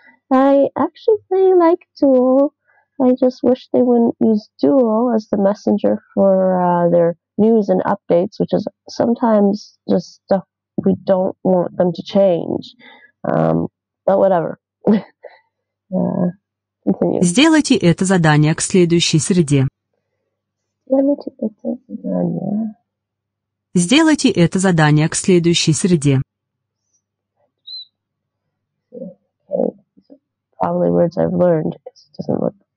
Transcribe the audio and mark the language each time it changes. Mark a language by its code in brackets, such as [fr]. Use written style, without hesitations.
[en] I actually really like Duo. I just wish they wouldn't use Duo as the messenger for their news and updates, which is sometimes just stuff we don't want them to change. But whatever. Continue. [ru] Сделайте это задание к следующей среде. Сделайте это задание. Сделайте это задание к следующей среде. [en] Okay. Probably words I've learned, because it doesn't look...